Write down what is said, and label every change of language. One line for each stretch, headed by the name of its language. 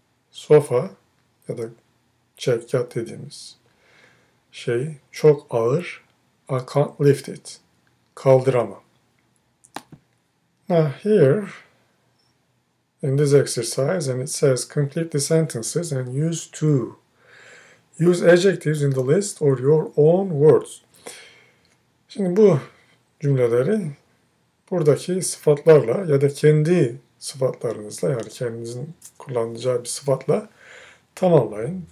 Turkish: Sofa ya da çekyat dediğimiz şey çok ağır.
English: I can't lift it,
Turkish: kaldıramam.
English: Now here, in this exercise, and it says complete the sentences and use to. Use adjectives in the list or your own words.
Turkish: Şimdi bu cümleleri buradaki sıfatlarla ya da kendi sıfatlarınızla, yani kendinizin kullanacağı bir sıfatla tamamlayın.